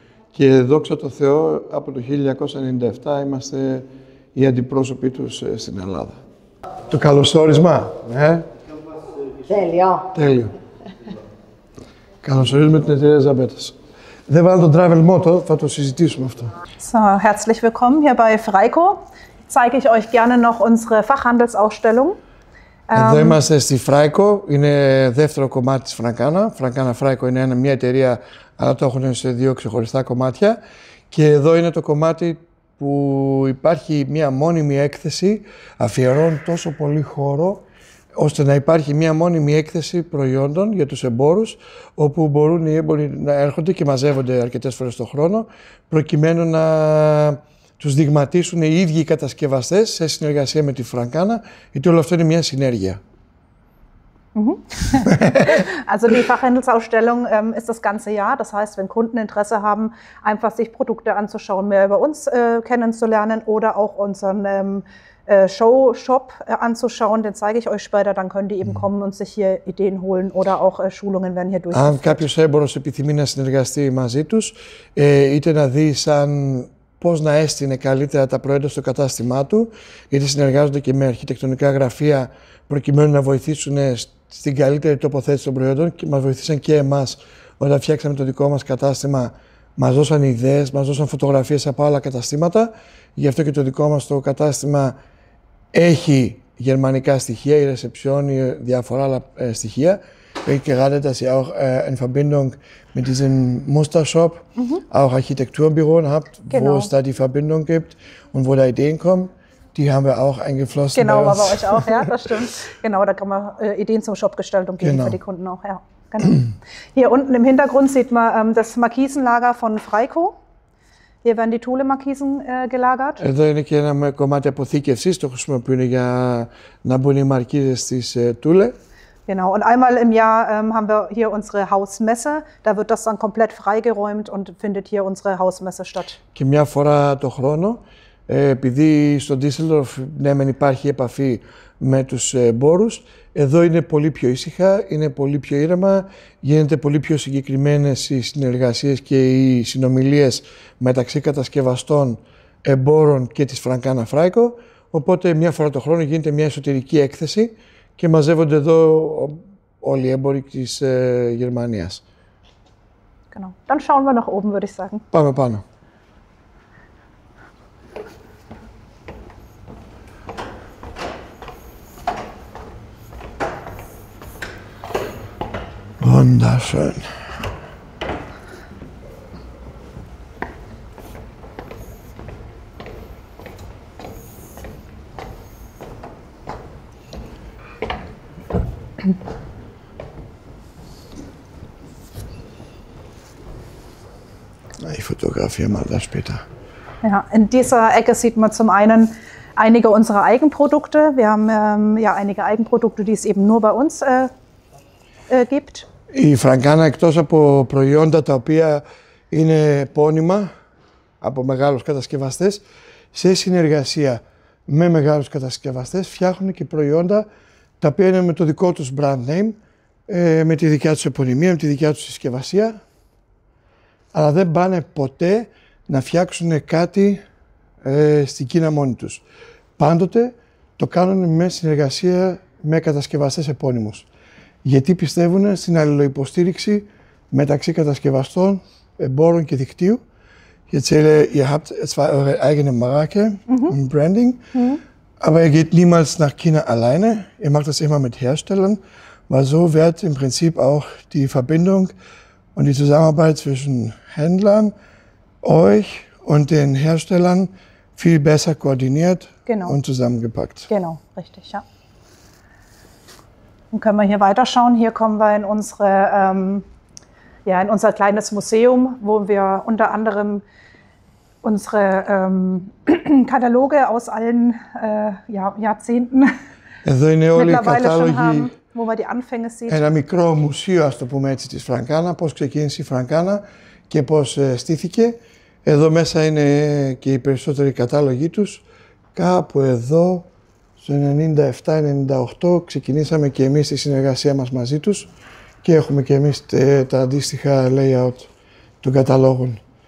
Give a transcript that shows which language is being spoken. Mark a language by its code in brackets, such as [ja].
[el] Και δόξα τω Θεώ, από το 1997 είμαστε οι αντιπρόσωποι τους στην Ελλάδα. Το καλωσόρισμα, ε! Τέλειο! Τέλειο! Καλωσορίζουμε την εταιρεία Ζαμπέτας. Δεν βάλω το Travel Motto, θα το συζητήσουμε αυτό. [de] So, herzlich willkommen hier bei Freiko. Zeige ich euch gerne noch unsere Fachhandelsausstellung. [el] Εδώ είμαστε στη Φράικο, είναι δεύτερο κομμάτι της Φραγκάνα. Φραγκάνα Φράικο είναι μια εταιρεία, αλλά το έχουν σε δύο ξεχωριστά κομμάτια. Και εδώ είναι το κομμάτι που υπάρχει μια μόνιμη έκθεση, αφιερώνει τόσο πολύ χώρο, ώστε να υπάρχει μια μόνιμη έκθεση προϊόντων για τους εμπόρους, όπου μπορούν οι έμποροι να έρχονται και μαζεύονται αρκετές φορές το χρόνο, προκειμένου να τους δειγματίσουν οι ίδιοι οι κατασκευαστές σε συνεργασία με τη Φραγκάνα, γιατί όλο αυτό είναι μια συνέργεια. [de] Also die Fachhandelsausstellung ist das ganze Jahr. Das heißt, wenn Kunden Interesse haben, einfach sich Produkte anzuschauen, mehr über uns kennenzulernen oder auch unseren Show-Shop anzuschauen, den zeige ich euch später, dann können die eben kommen und sich hier Ideen holen oder auch Schulungen werden hier durchgeführt. [el] Αν κάποιος έμπορος επιθυμεί να συνεργαστεί μαζί τους, είτε να δει σαν πώς να έστεινε καλύτερα τα προϊόντα στο κατάστημά του, είτε συνεργάζονται και με αρχιτεκτονικά γραφεία προκειμένου να βοηθήσουν στην καλύτερη τοποθέτηση των προϊόντων και μας βοηθήσαν και εμάς όταν φτιάξαμε το δικό μας κατάστημα. Μας δώσαν ιδέες, μας δώσαν φωτογραφίες από άλλα καταστήματα. Γι' αυτό και το δικό μας το κατάστημα έχει γερμανικά στοιχεία, η reception, η διάφορα άλλα στοιχεία. Έχει και [de] gerade dass ihr auch in Verbindung mit diesem Mustershop auch Architekturbüro habt, wo es da die Verbindung gibt und wo da Ideen kommen. Die haben wir auch eingeflossen. Genau, aber bei euch auch, ja, das stimmt. Genau, da kann man Ideen zum Shop gestalten und geben für die Kunden auch, ja. Hier unten im Hintergrund sieht man das Markisenlager von Freiko. Hier werden die Thule-Markisen gelagert. [el] Εδώ είναι και ένα κομμάτι αποθήκευσης, το χρησιμοποιούν για να μπουν οι μαρκίζες της Thule. [de] Genau, und einmal im Jahr haben wir hier unsere Hausmesse. Da wird das dann komplett freigeräumt und findet hier unsere Hausmesse statt. [el] Και μια φορά το χρόνο, επειδή στο Düsseldorf, ναι, μεν υπάρχει επαφή με τους εμπόρους, εδώ είναι πολύ πιο ήσυχα, είναι πολύ πιο ήρεμα, γίνεται πολύ πιο συγκεκριμένες οι συνεργασίες και οι συνομιλίες μεταξύ κατασκευαστών, εμπόρων και της Φραγκάνα Φράικο. Οπότε μια φορά το χρόνο γίνεται μια εσωτερική έκθεση και μαζεύονται εδώ όλοι οι έμποροι της Γερμανίας. [de] Genau. Dann schauen wir nach oben, würde ich sagen. [el] Πάμε πάνω. [de] Wunderschön. Ich fotografiere mal das später. Ja, in dieser Ecke sieht man zum einen einige unserer Eigenprodukte. Wir haben ja einige Eigenprodukte, die es eben nur bei uns gibt. [el] Η Φραγκάνα, εκτός από προϊόντα τα οποία είναι επώνυμα από μεγάλους κατασκευαστές, σε συνεργασία με μεγάλους κατασκευαστές φτιάχνουν και προϊόντα τα οποία είναι με το δικό τους brand name, με τη δικιά τους επωνυμία, με τη δικιά τους συσκευασία, αλλά δεν πάνε ποτέ να φτιάξουν κάτι στην Κίνα μόνοι τους. Πάντοτε το κάνουν με συνεργασία με κατασκευαστές επώνυμους. Γιατί πιστεύουν στην αλληλοϊποστήριξη μεταξύ κατασκευαστών, εμπόρων και δικτύου. Γιατί λέει, [de] ihr habt zwar eure eigene Marke und Branding, aber ihr geht niemals nach China alleine. Ihr macht das immer mit Herstellern, weil so wird im Prinzip auch die Verbindung Und die Zusammenarbeit zwischen Händlern, euch und den Herstellern viel besser koordiniert und zusammengepackt. Genau, richtig, ja. Dann können wir hier weiterschauen. Hier kommen wir in unsere, in unser kleines Museum, wo wir unter anderem unsere Kataloge aus allen Jahrzehnten mittlerweile Kataloge schon haben, wo man die Anfänge sieht. [el] Ένα μικρό μουσείο, ας το πούμε έτσι, της Φραγκάνα, πώς ξεκίνησε η Φραγκάνα και πώς στήθηκε. Εδώ μέσα είναι και οι περισσότεροι κατάλογοι τους. Κάπου εδώ, στο 97-98, ξεκινήσαμε και εμείς τη συνεργασία μας μαζί τους και έχουμε και εμείς τα αντίστοιχα layout των καταλόγων.